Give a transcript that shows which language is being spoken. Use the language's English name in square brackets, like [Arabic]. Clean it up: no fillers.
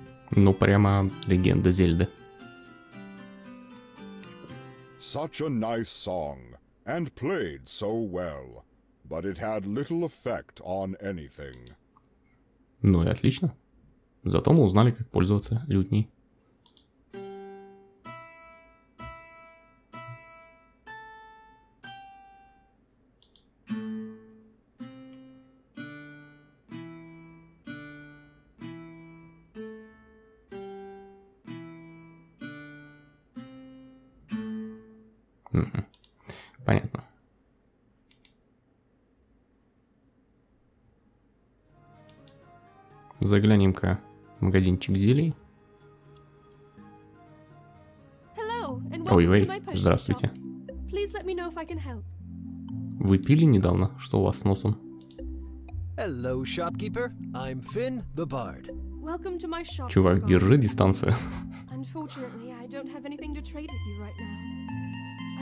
[Russian] Ну прямо легенда Зельды. [English] Such a nice song. And played so well, but it had little effect on anything. [Russian] Ну и отлично. Зато мы узнали, как пользоваться лютней. Заглянем-ка в магазинчик зелий. Ой-ой, здравствуйте. [English] Please let me know if I can help. [Russian] Вы пили недавно? Что у вас с носом? [English] Hello, shopkeeper. I'm Finn, the bard. Welcome to my shop. [Russian] Чувак, держи дистанцию. [English] Unfortunately, I don't have anything to trade with you right now.